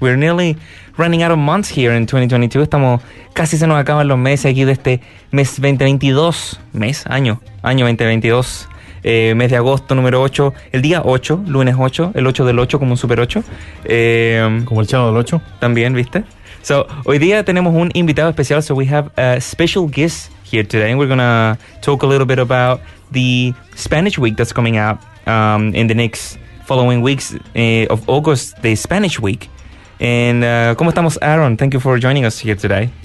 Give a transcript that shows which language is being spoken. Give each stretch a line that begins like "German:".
English: We're nearly running out of months here in 2022.
Spanish: Estamos, casi se nos acaban los meses aquí de este mes 2022. ¿Mes? Año. Año 2022. Mes de agosto, número 8, el día 8, lunes 8, el 8 del 8, como un super 8. Como el chavo del 8. También, ¿viste?
English: So,
Spanish: hoy día tenemos un invitado especial.
English: So, we have a special guest here today, and we're going to talk a little bit about the Spanish Week that's coming up in the next following weeks of August, the Spanish Week. And,
Spanish: ¿cómo estamos,
English: Aaron? Thank you for joining us here today.